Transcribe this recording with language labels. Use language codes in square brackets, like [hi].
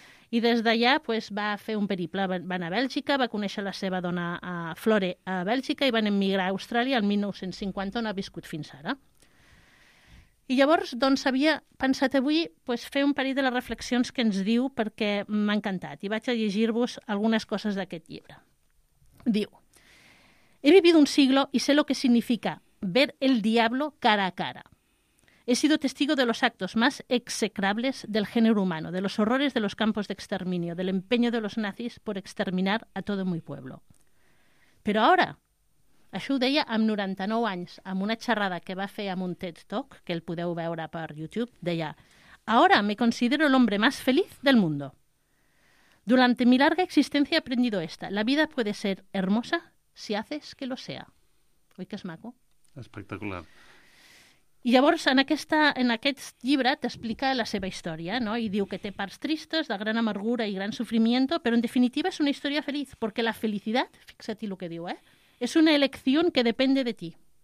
[ca] I des d'allà pues, va fer un periple, va anar a Bèlgica, va conèixer la seva dona Flore a Bèlgica i van emigrar a Austràlia el 1950, on ha viscut fins ara. I llavors doncs, havia pensat avui pues, fer un parell de les reflexions que ens diu perquè m'ha encantat i vaig a llegir-vos algunes coses d'aquest llibre. [es] Diu, he vivido un siglo y sé lo que significa ver el diablo cara a cara. He sido testigo de los actos más execrables del género humano, de los horrores de los campos de exterminio, del empeño de los nazis por exterminar a todo mi pueblo. Pero ahora, [ca] això ho deia amb 99 anys, amb una xerrada que va fer amb un TED Talk, que el podeu veure per YouTube, deia, [es] ahora me considero el hombre más feliz del mundo. Durante mi larga existencia he aprendido esta. La vida puede ser hermosa si haces que lo sea. [ca] Oi que és maco? Espectacular. I llavors, en aquest llibre t'explica la seva història, no? I diu que té parts tristes, de gran amargura i gran sufrimiento, però en definitiva és una història feliç, perquè la felicitat, fixa-t'hi el que diu, és una elecció que depèn [es] de ti.